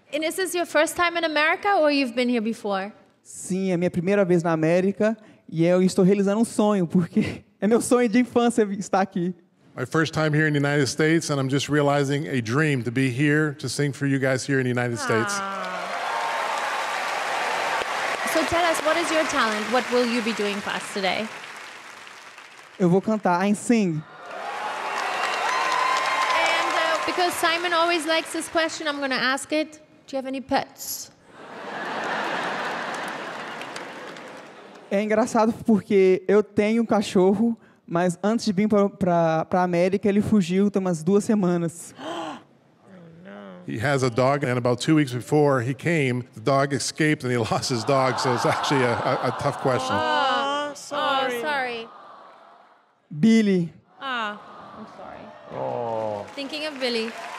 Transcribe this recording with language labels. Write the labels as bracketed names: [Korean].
[English] And is this your first time in America, or you've been here before? [Portuguese] Sim, é minha primeira vez na América e eu estou realizando sonho, porque é meu sonho de infância estar aqui. [English] My first time here in the United States, and I'm just realizing a dream to be here to sing for you guys here in the United States. So tell us, what is your talent? What will you be doing for us today? [Portuguese] Eu vou cantar, [English] I sing. And because Simon always likes this question, I'm going to ask it. Do you have any pets? [Portuguese] É engraçado porque eu tenho um cachorro, mas antes de vir para América ele fugiu tem umas duas semanas. [English] He has a dog, and about 2 weeks before he came, the dog escaped and he lost his dog, so it's actually a tough question. Oh, sorry. Billy. I'm sorry. Thinking of Billy.